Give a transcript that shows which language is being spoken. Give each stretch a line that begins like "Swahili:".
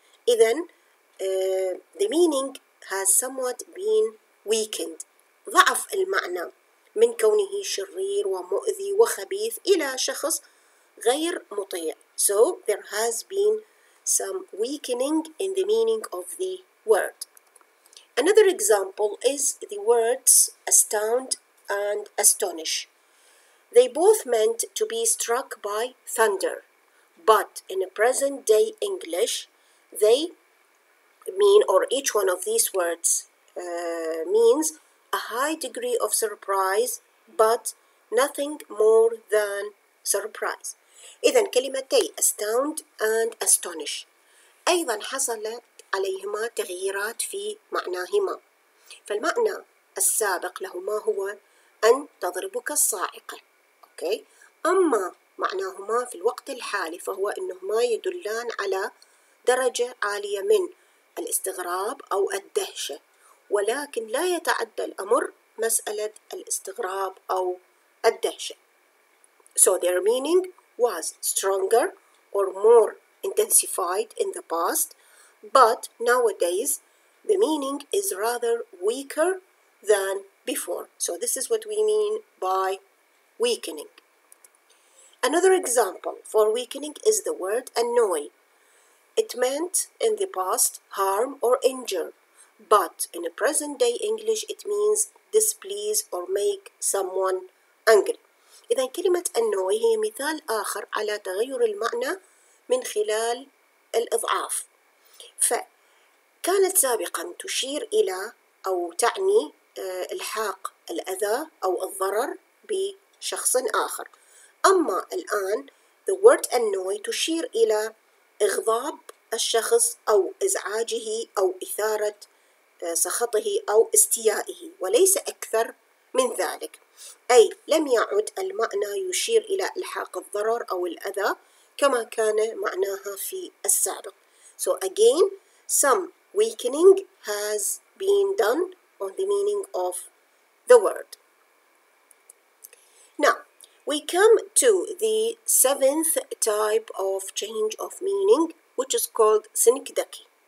English: إذن the meaning has somewhat been weakened.
Arabic: ضعف المعنى من كونه شرير ومؤذي وخبيث إلى شخص غير مطيع.
English: So there has been some weakening in the meaning of the word. Another example is the words astound and astonish. They both meant to be struck by thunder, but in a present day English, they mean, or each one of these words means a high degree of surprise, but nothing more than surprise.
Arabic: إذن كلمتي astound and astonish أيضا حصلت عليهما تغييرات في معناهما. فالمعنى السابق لهما هو أن تضربك الصاعقة.
English: Okay.
Arabic: أما معناهما في الوقت الحالي فهو أنهما يدلان على درجة عالية من الاستغراب أو الدهشة ولكن لا يتعدى الأمر مسألة الاستغراب أو الدهشة.
English: So their meaning was stronger or more intensified in the past, but nowadays the meaning is rather weaker than before. So this is what we mean by weakening. Another example for weakening is the word annoy. It meant in the past harm or injure, but in a present day English it means displease or make someone angry.
Arabic: إذن كلمة annoy هي مثال آخر على تغير المعنى من خلال الإضعاف. فكانت سابقا تشير إلى أو تعني الحاق الأذى أو الضرر بشخص آخر. أما الآن
English: the word annoy
Arabic: تشير إلى إغضاب الشخص أو إزعاجه أو إثارة سخطه أو استيائه وليس أكثر من ذلك. أي لم يعد المعنى يشير إلى إلحاق الضرر أو الأذى كما كان معناها في السابق.
English: So again, some weakening has been done on the meaning of the word. Now, we come to the seventh type of change of meaning, which is called synecdoche.